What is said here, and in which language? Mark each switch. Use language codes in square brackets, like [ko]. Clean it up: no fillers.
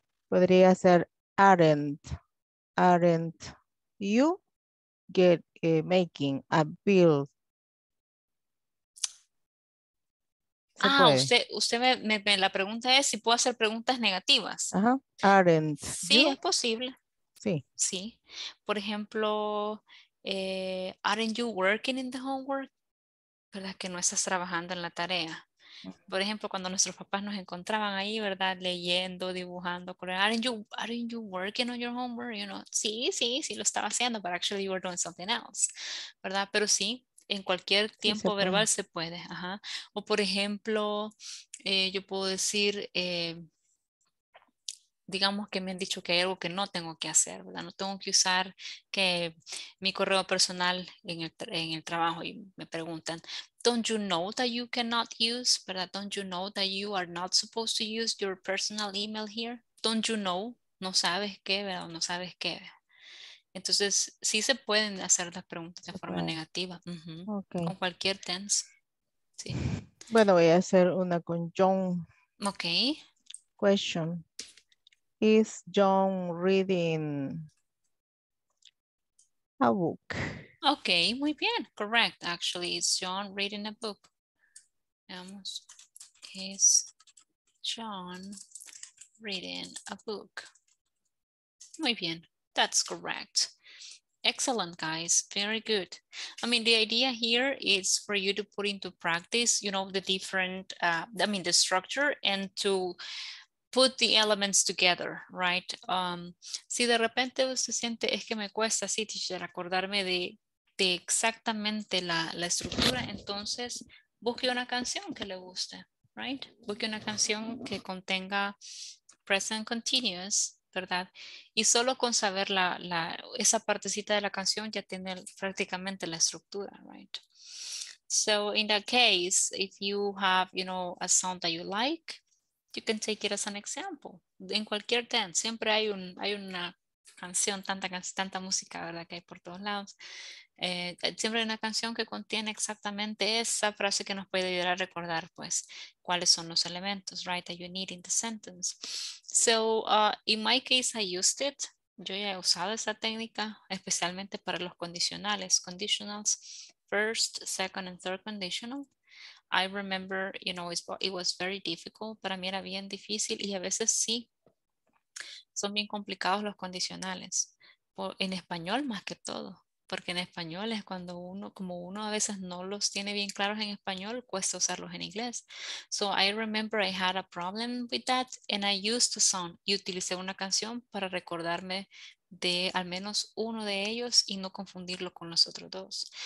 [es] Podría ser [en] aren't you get making a bill? [es] Ah, usted me la pregunta es si puedo hacer preguntas negativas. [en] Uh-huh. Aren't [es] sí you? Es posible. Sí. Sí. Por ejemplo, [en] aren't you working in the homework? [es] ¿Verdad? Que no estás trabajando en la tarea. Por ejemplo, cuando nuestros papás nos encontraban ahí, ¿verdad? Leyendo, dibujando, correr. [en] Aren't you working on your homework? You know, [es] sí, sí, sí lo estaba haciendo, [en] but actually you were doing something else. [es] ¿Verdad? Pero sí, en cualquier tiempo sí, verbal se puede. Ajá. O por ejemplo, yo puedo decir, digamos que me han dicho que hay algo que no tengo que hacer, ¿verdad? No tengo que usar que mi correo personal en el trabajo y me preguntan, [en] don't you know that you cannot use, [es] ¿verdad? [en] Don't you know that you are not supposed to use your personal email here? Don't you know, [es] no sabes qué, ¿verdad? No sabes qué. Entonces, sí se pueden hacer las preguntas de forma negativa. Con cualquier tense. Sí. Bueno, voy a hacer una con John. [en] Ok. Question. Is John reading a book? Okay, [es] muy bien. [en] Correct. Actually, is John reading a book? [es] Vamos. [en] Is John reading a book? [es] Muy bien. [en] That's correct. Excellent, guys. Very good. I mean, the idea here is for you to put into practice, you know, the different, the structure and to put the elements together, right? [es] Si de repente usted siente, es que me cuesta así, teacher, acordarme de exactamente la estructura, entonces busque una canción que le guste, [en] right? [es] Busque una canción que contenga present continuous, ¿verdad? Y solo con saber esa partecita de la canción ya tiene prácticamente la estructura, [en] right? So in that case, if you have, you know, a sound that you like, you can take it as an example. [es] En cualquier tense, siempre hay una canción, tanta música, ¿verdad? Que hay por todos lados. Siempre hay una canción que contiene exactamente esa frase que nos puede ayudar a recordar, pues, cuáles son los elementos, [en] right, that you need in the sentence. So, in my case, I used it. [es] Yo ya he usado esa técnica, especialmente para los condicionales. [en] Conditionals, first, second, and third conditional. I remember, you know, it was very difficult. [es] Para mí era bien difícil y a veces sí. Son bien complicados los condicionales. En español más que todo. Porque en español es cuando uno, como uno a veces no los tiene bien claros en español, cuesta usarlos en inglés. [en] So I remember I had a problem with that and I used a song. [es] Y utilicé una canción para recordarme de al menos uno de ellos y no confundirlo con los otros dos.